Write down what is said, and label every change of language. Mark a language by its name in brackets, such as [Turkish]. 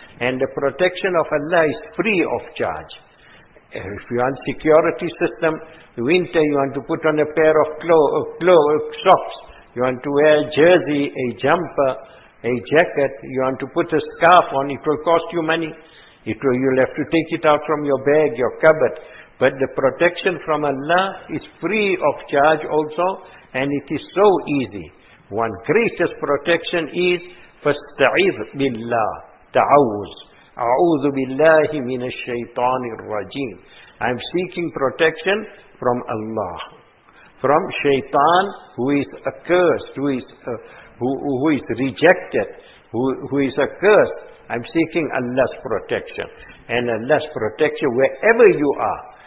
[English] And the protection of Allah is free of charge. If you want security system, winter you want to put on a pair of socks, you want to wear a jersey, a jumper, a jacket, you want to put a scarf on, it will cost you money. You'll have to take it out from your bag, your cupboard. But the protection from Allah is free of charge also. And it is so easy. One greatest protection is [Arabic] فَاسْتَعِذْ بِاللَّهِ تَعَوُّذْ أَعُوذُ بِاللَّهِ مِنَ الشَّيْطَانِ الرَّجِيمِ. [English] I am seeking protection from Allah, from Shaitan, who is accursed, who is rejected, who is accursed. I am seeking Allah's protection. And Allah's protection wherever you are.